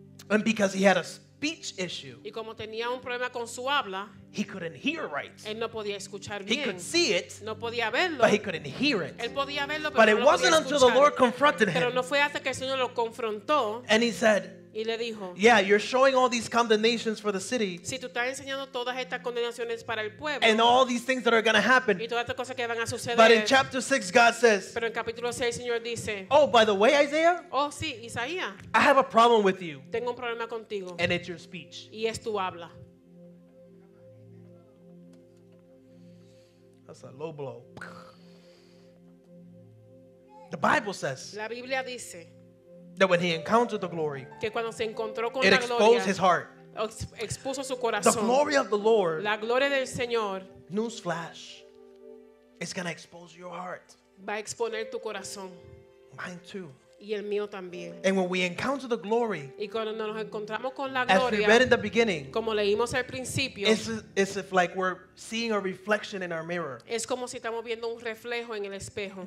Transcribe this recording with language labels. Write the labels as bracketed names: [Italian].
[English] And because he had a speech issue. [Spanish] Y como tenía un problema con su habla, [English] he couldn't hear right. [Spanish] Él no podía escuchar bien. [English] He could see it. [Spanish] No podía verlo. [English] But he couldn't hear it. [Spanish] Él podía verlo, [English] but [Spanish] pero [English] it [Spanish] no [English] wasn't [Spanish] podía [English] until [Spanish] escuchar. [English] The Lord confronted him. [Spanish] Pero no fue hasta que el Señor lo confrontó. [English] And he said, [Spanish] y le dijo, [English] yeah, you're showing all these condemnations for the city. [Spanish] Si tú estás enseñando todas estas condenaciones para el pueblo, [English] and all these things that are going to happen. [Spanish] Y todas estas cosas que van a suceder. [English] But in chapter 6, God says, [Spanish] pero en capítulo 6, el Señor dice, [English] oh, by the way, Isaiah, [Spanish] oh, sí, Isaías, [English] I have a problem with you. [Spanish] Tengo un problema contigo. [English] And it's your speech. [Spanish] Y es tu habla. [English] That's a low blow. The Bible says, [Spanish] la Biblia dice, [English] that when he encountered the glory, [Spanish] que cuando se encontró con [English] it exposed [Spanish] gloria, [English] his heart. [Spanish] Expuso su corazón. [English] The glory of the Lord, [Spanish] la gloria del Señor, [English] newsflash, it's going to expose your heart. [Spanish] Va a exponer tu corazón. [English] Mine too. [Spanish] Y el mío también. [English] And when we encounter the glory, [Spanish] y cuando nos encontramos con la gloria, [English] as we read in the beginning, [Spanish] como leímos al principio, [English] it's if like we're seeing a reflection in our mirror. [Spanish] Es como si estamos viendo un reflejo en el espejo.